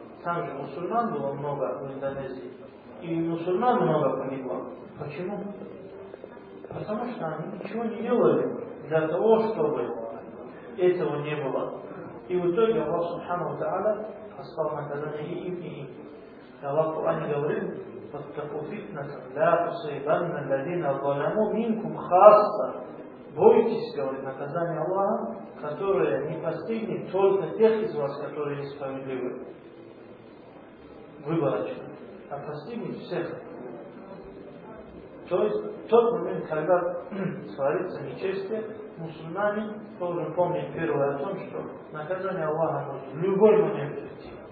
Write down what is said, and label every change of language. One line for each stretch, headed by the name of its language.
Russian: Там же мусульман было много в Индонезии. И мусульман много погибло. Почему? Потому что они ничего не делали для того, чтобы этого не было. И в итоге Аллах Субхану Та'аля послал наказание им и им. Аллах в Коране говорит,
Arabic: فَتَّقُوا فِتْنَةً لَا تُصِيبَنَّ الَّذِينَ ظَلَمُوا مِنْكُمْ خَاصًّا.
Russian: Бойтесь, говорит, наказание Аллаха, которое не постигнет только тех из вас, которые несправедливы, выборочно, а постигнет всех. То есть, в тот момент, когда творится нечестие, мусульмане должны помнить первое о том, что наказание Аллаха может в любой момент прийти.